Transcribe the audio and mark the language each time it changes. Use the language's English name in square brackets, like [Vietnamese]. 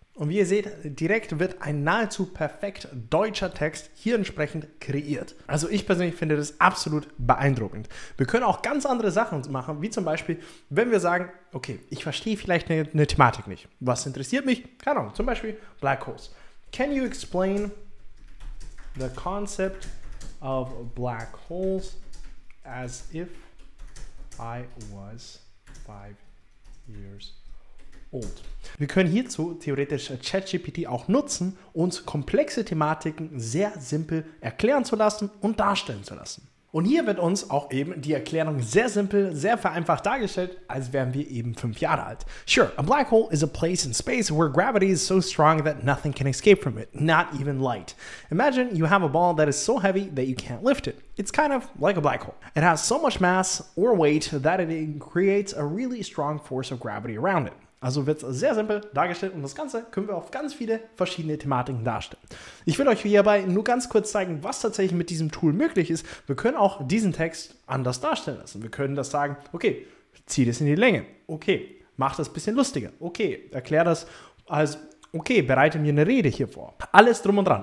[German] Und wie ihr seht, direkt wird ein nahezu perfekt deutscher Text hier entsprechend kreiert. Also ich persönlich finde das absolut beeindruckend. Wir können auch ganz andere Sachen machen, wie zum Beispiel, wenn wir sagen, okay, ich verstehe vielleicht eine Thematik nicht. Was interessiert mich? Keine Ahnung, zum Beispiel Black Holes. [English] Can you explain the concept of Black Holes as if I was 5 years old? [German] Und wir können hierzu theoretisch ChatGPT auch nutzen, uns komplexe Thematiken sehr simpel erklären zu lassen und darstellen zu lassen. Und hier wird uns auch eben die Erklärung sehr simpel, sehr vereinfacht dargestellt, als wären wir eben 5 Jahre alt. [English] Sure, a black hole is a place in space where gravity is so strong that nothing can escape from it, not even light. Imagine you have a ball that is so heavy that you can't lift it. It's kind of like a black hole. It has so much mass or weight that it creates a really strong force of gravity around it. [German] Also wird es sehr simpel dargestellt und das Ganze können wir auf ganz viele verschiedene Thematiken darstellen. Ich will euch hierbei nur ganz kurz zeigen, was tatsächlich mit diesem Tool möglich ist. Wir können auch diesen Text anders darstellen lassen. Wir können das sagen, okay, zieh das in die Länge. Okay, mach das ein bisschen lustiger. Okay, erklär das als, okay, bereite mir eine Rede hier vor. Alles drum und dran.